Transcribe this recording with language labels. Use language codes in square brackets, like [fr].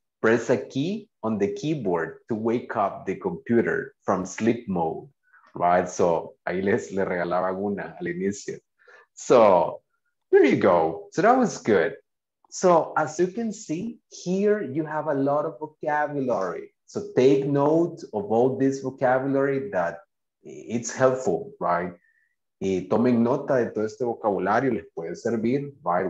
[en] Press a key on the keyboard to wake up the computer from sleep mode. Right, so [es] ahí les le regalaban una al inicio. [en] So there you go. So that was good. So as you can see here, you have a lot of vocabulary. So take note of all this vocabulary that it's helpful, right? [es] Y tomen nota de todo este vocabulario, les puede servir, right?